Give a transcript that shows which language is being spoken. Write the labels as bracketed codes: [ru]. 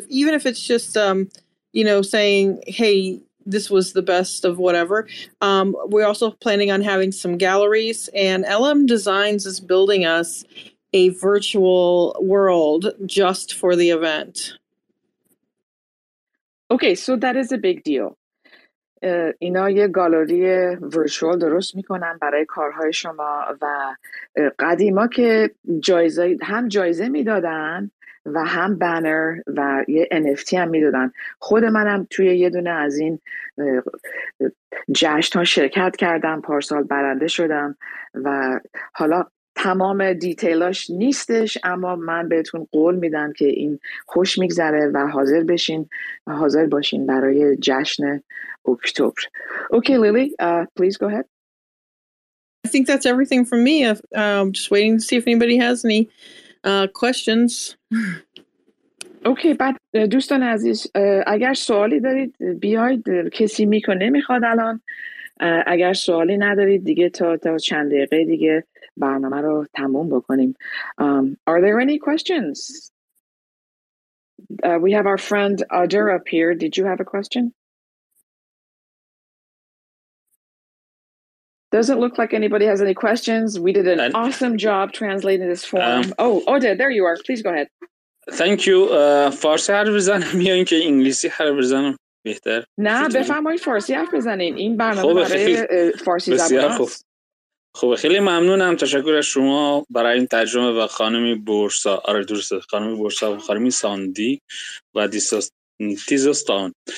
[en] Even if it's just, saying, hey, this was the best of whatever. We're also planning on having some galleries, and LM Designs is building us a virtual world just for the event. Okay, so that is a big deal. [fa] اینا یه گالری ورچوال درست میکنن برای کارهای شما، و قدیما که هم جایزه میدادن و هم بانر و یه NFT هم میدادن. خود منم توی یه دونه از این جشن ها شرکت کردم، پارسال برنده شدم، و حالا تمام دیتیلاش نیستش، اما من بهتون قول میدم که این خوش میگذره و حاضر باشین برای جشن اکتبر. [en] Okay, Lily, please go ahead. I think that's everything from me. I'm just waiting to see if anybody has any questions. [fa] Okay, بعد دوستان عزیز اگر سوالی دارید بیاید، کسی میکو نمیخواد الان. اگر سوالی ندارید دیگه تا چند دقیقه دیگه برنامه رو تموم بکنیم. [en] Are there any questions? We have our friend Adur up here. Did you have a question? Doesn't look like anybody has any questions. We did an awesome job translating this form. Odur, there you are. Please go ahead. Thank you. [fa] فارسی حرف بزنم یا اینکه انگلیسی حرف بزنم بهتر؟ نه، بفرمایید فارسی حرف بزنین. این برنامه برای فارسی زبان است. خب خیلی ممنونم، تشکر از شما برای این ترجمه، و خانمی بورسا، آره درسته، خانمی بورسا و خانمی ساندی و تیزوس تان.